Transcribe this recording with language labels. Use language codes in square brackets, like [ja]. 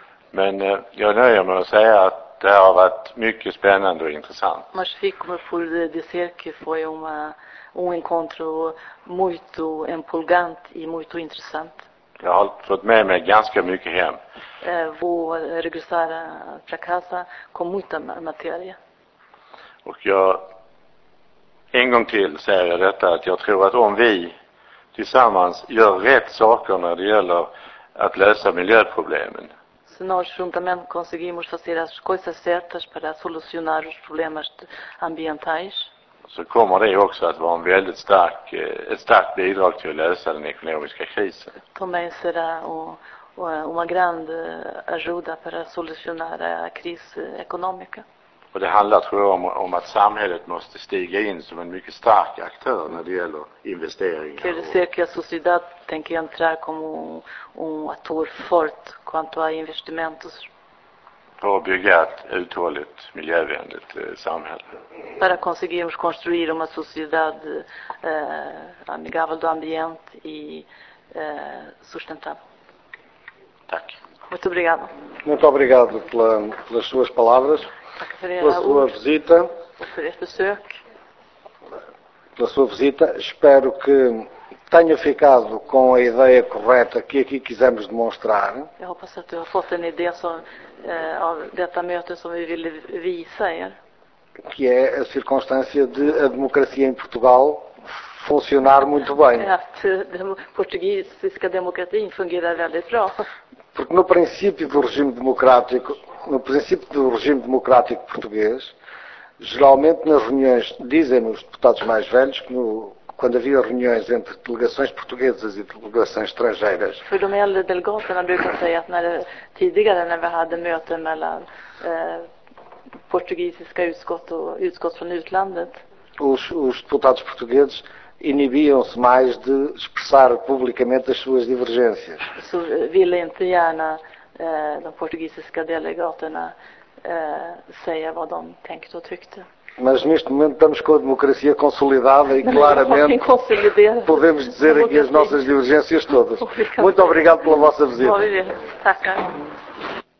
[sv] Men jag nöjer mig att säga att det har varit mycket spännande och intressant. [pt] Mas fico por dizer que foi um encontro muito empolgante e muito interessante. [sv] Jag har fått med mig ganska mycket hem. [pt] Vou regressar para casa com muita matéria. [sv] Och jag en gång till säger jag detta, att jag tror att om vi tillsammans gör rätt saker när det gäller att lösa miljöproblemen. [pt] Se nós juntamente conseguimos fazer as coisas certas para solucionar os problemas ambientais. [sv] Så kommer det också att vara en väldigt stark, ett starkt bidrag till att lösa den ekonomiska krisen. [pt] Também será uma grande ajuda para solucionar a crise econômica. [sv] Och det handlar, tror jag, om att samhället måste stiga in som en mycket stark aktör när det gäller investeringar. [pt] Quer dizer que a sociedade tem que entrar como um ator forte quanto a investimentos. [sv] För att bygga ett uthålligt, miljövänligt samhälle. [pt] Para conseguirmos construir uma sociedade amigável do ambiente e sustentável. [sv] Tack. [pt] Muito obrigada. Muito obrigado pelas suas palavras. Pela sua visita. Pela sua visita. Espero que tenha ficado com a ideia correta que aqui quisemos demonstrar. Eu espero que tenha [sv] fått en idé [pt] desta [sv] möte som vi ville visa er. [pt] Que é a circunstância de a democracia em Portugal funcionar muito bem. [sv] Att portugisiska demokratin fungerar väldigt bra. [pt] Porque no princípio do regime democrático, no princípio do regime democrático português, geralmente nas reuniões, dizem-me os deputados mais velhos, que quando havia reuniões entre delegações portuguesas e delegações estrangeiras. [sv] För de äldre delegaterna brukar säga att tidigare när vi hade möten mellan portugisiska utskott och utskott från utlandet. [pt] Os deputados portugueses inibiam-se mais de expressar publicamente as suas divergências. [sv] Så ville inte gärna de portugisiska delegaterna säga vad de tänkte och tyckte. [pt] Mas neste momento estamos com a democracia consolidada e claramente podemos dizer aqui as nossas divergências todas. Muito obrigado pela vossa visita.